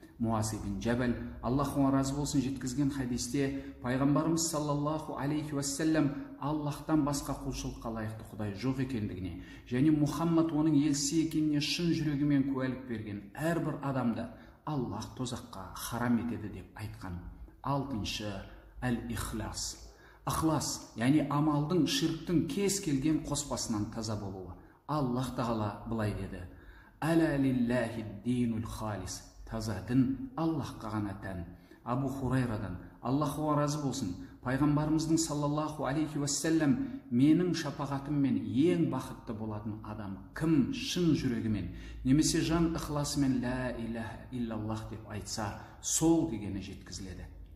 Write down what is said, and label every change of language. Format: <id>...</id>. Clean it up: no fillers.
<kk>Муаз ибн Джабал, Аллах оған разы болсын жеткізген хадисте, пайғамбарымыз саллаллаху алейхи вассалям Аллахтан басқа құлшылыққа лайықты құдай жоқ екендігіне және Мухаммад оның елшісі екеніне шын жүрегімен куәлік берген әрбір адамды Аллах тозаққа харам етеді деп айтқан. Алтыншы әл-ихлас. Ихлас, яғни амалдың ширктің кез келген қоспасынан таза болуы. Аллах тағала былай деді.</kk> <ar>Әлі лиллахи дийнул халис.</ar> <kk>Таза дін Аллахқа ғана тән. Абу Хурайрадан Аллах оған разы болсын, пайғамбарымыздың саллаллаху алейхи вассалям менің шапағатыммен ең бақытты болатын адам кім шын жүрегімен немесе жан ықыласымен лә иләһ илләллаһ деп айтса, сол дегені жеткізіледі.</kk>